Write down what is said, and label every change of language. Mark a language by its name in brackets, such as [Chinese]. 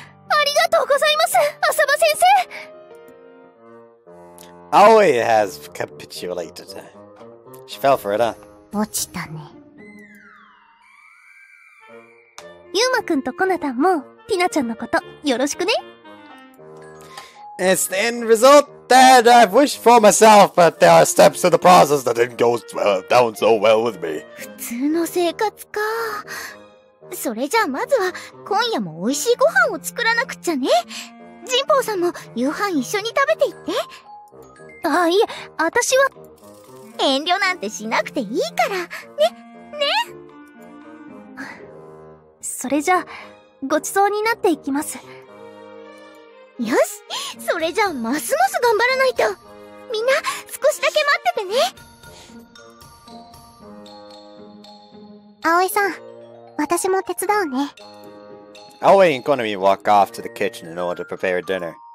[Japanese] ありがとうございます、浅場先生！ [English] Aoi has capitulated. She fell for it, huh? [Japanese] 落ちたね。ユウマくんとコナタンも、ティナちゃんのこと、よろしくね。 [English] It's the end result that I've wished for myself, but there are steps to the process that didn't go down so well with me. [Japanese] 普通の生活か。それじゃあまずは今夜も美味しいご飯を作らなくちゃね。神保さんも夕飯一緒に食べていって。ああ、いえ、私は。遠慮なんてしなくていいから。ね、ね。それじゃあ、ごちそうになっていきます。よし、それじゃあますます頑張らないと。みんな、少しだけ待っててね。葵さん。私も手伝うね。 [English] Aoi and Konami walk off to the kitchen in order to prepare dinner.